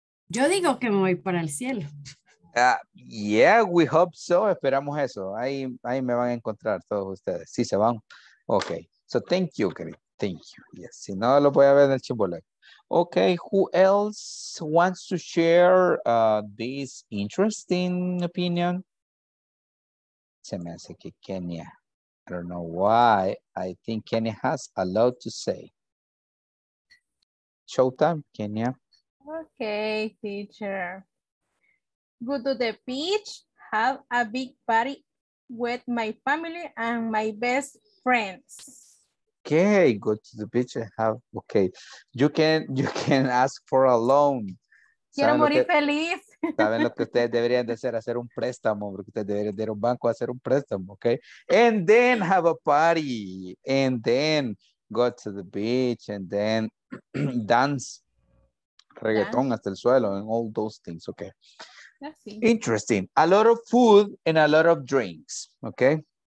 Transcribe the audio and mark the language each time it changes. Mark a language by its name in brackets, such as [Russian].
[Spanish] Yo digo que me voy para el cielo. [English] Yeah, we hope so. [Spanish] Esperamos eso. Ahí me van a encontrar todos ustedes. Sí, se van. Okay. [English] So thank you, Karen. Thank you. Yes. [Spanish] Si no, lo voy a ver en el chimbolet. [English] Okay, who else wants to share this interesting opinion? [Spanish] Se me hace que [English] Kenia. I don't know why. I think Kenia has a lot to say. Showtime, Kenia. Okay, teacher. Go to the beach, have a big party with my family and my best friends. Okay, go to the beach and have, okay. You can ask for a loan. [Spanish] Quiero morir feliz. Saben lo que ustedes deberían de hacer, hacer un préstamo, porque ustedes deberían de ir a un banco a hacer un préstamo, okay? [English] And then have a party, and then go to the beach, and then dance, reggaeton [Spanish] hasta el suelo, [English] and all those things, okay? Interesting. A lot of food and a lot of drinks, okay?